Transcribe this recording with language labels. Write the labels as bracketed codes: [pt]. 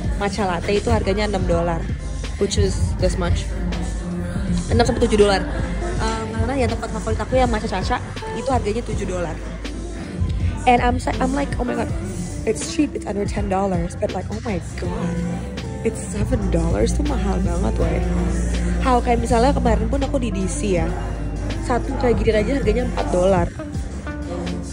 [id] Matcha latte itu harganya $6, [en] which is this much. 6-7 dollars. [id] Karena ya tempat favorit aku yang matcha caca itu harganya $7. [en] And I'm like, oh my god, it's cheap, it's under $10. But like, oh my god, it's $7 [id] tuh mahal banget, woy. [en] How, [id] kayak misalnya kemarin pun aku di DC ya, satu kayak gini aja harganya $4.